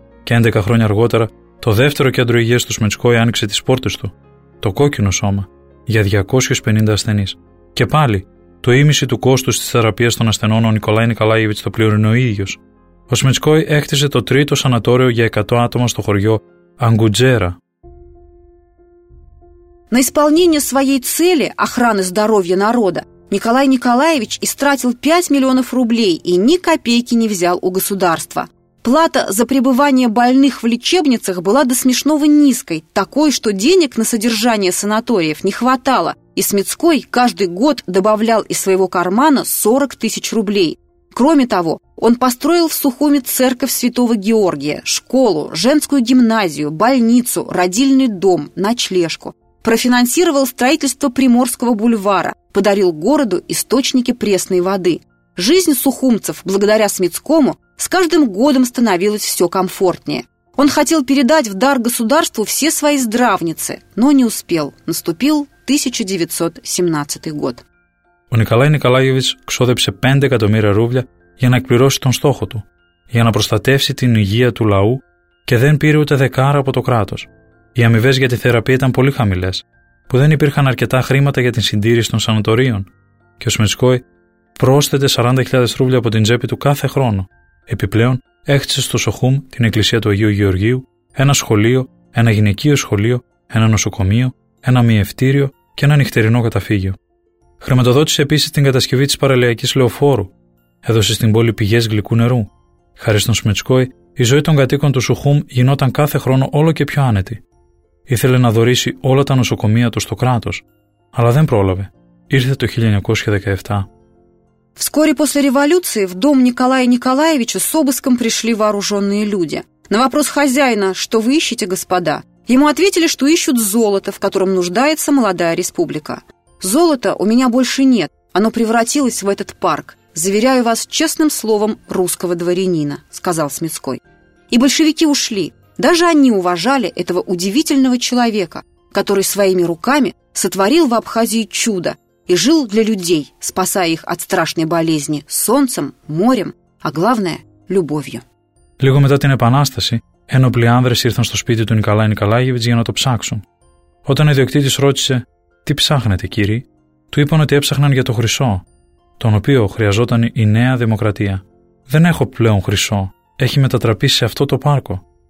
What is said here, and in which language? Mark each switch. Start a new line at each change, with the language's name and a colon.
Greek: Και 11 χρόνια αργότερα το δεύτερο κέντρο υγείας του Σμιτσκόη άνοιξε τις πόρτες του, το κόκκινο σώμα, για 250 ασθενείς. Και πάλι, το ίμιση του κόστους της θεραπείας των ασθενών ο Νικολάη Νικολάεβιτς το πλήρωνε ο ίδιος. Ο Σμιτσκόη έκτισε το τρίτο σανατόριο για 100 άτομα στο χωριό Αγκουτζέρα.
Russian: На исполнение своей цели охраны здоровья народа Николай Николаевич истратил 5 миллионов рублей и ни копейки не взял у государства. Плата за пребывание больных в лечебницах была до смешного низкой, такой, что денег на содержание санаториев не хватало, и Смитской каждый год добавлял из своего кармана 40 тысяч рублей. Кроме того, он построил в Сухуми церковь святого Георгия, школу, женскую гимназию, больницу, родильный дом, ночлежку. Профинансировал строительство Приморского бульвара, подарил городу источники пресной воды. Жизнь сухумцев, благодаря Смитскому, с каждым годом становилась все комфортнее. Он хотел передать в дар государству все свои здравницы, но не успел. Наступил 1917 год.
Greek: Ο Νικολάι Νικολάιεβιτς ξόδεψε 5 εκατομμύρια ρούβλια για να εκπληρώσει τον στόχο του, για να προστατεύσει την υγεία του λαού και δεν πήρε ούτε δεκάρα από το κράτος. Οι αμοιβές για τη θεραπεία ήταν πολύ χαμηλές, που δεν υπήρχαν αρκετά χρήματα για την συντήρηση των σανατορίων. Και ο Σμιτσκόι πρόσθεται 40.000 ρούβλια από την τσέπη του κάθε χρόνο. Επιπλέον, έχτισε στο Σοχούμ την Εκκλησία του Αγίου Γεωργίου, ένα σχολείο, ένα γυναικείο σχολείο, ένα νοσοκομείο, ένα μυευτήριο και ένα νυχτερινό καταφύγιο. Χρηματοδότησε επίσης την κατασκευή της παραλιακής λεωφόρου. Έδωσε στην πόλη πηγές γλυκού νερού. Χάρη στον Σμιτσκόι, η ζωή των κατοίκων του Σουχούμ γινόταν κάθε χρόνο όλο και πιο άνετη. Ήθελε να δωρήσει όλα τα νοσοκομεία του στο κράτος, αλλά δεν πρόλαβε. Ήρθε το 1917.
Russian: Вскоре после революции в дом Николая Николаевича с обыском пришли вооруженные люди. На вопрос хозяина, что вы ищете, господа, ему ответили, что ищут золото, в котором нуждается молодая республика. «Золота у меня больше нет, оно превратилось в этот парк, заверяю вас честным словом русского дворянина», — сказал Смитской. И большевики ушли. Даже они уважали этого удивительного человека, который своими руками сотворил в Абхазии чудо и жил для людей, спасая их от страшной болезни солнцем, морем, а главное — любовью.
Greek: Λίγο μετά την Επανάσταση, ένοπλοι άνδρες ήρθαν στο σπίτι του Νικολάη Νικολάγεβιτς για να το ψάξουν. Όταν ο ιδιοκτήτης ρώτησε «Τι ψάχνετε, κύριοι?», του είπαν ότι έψαχναν για το χρυσό, τον οποίο χρειαζόταν η Νέα Δημοκρατία. «Δεν έχω πλέον χρυσό. Έχει μετατραπεί σε αυτό το πάρκο.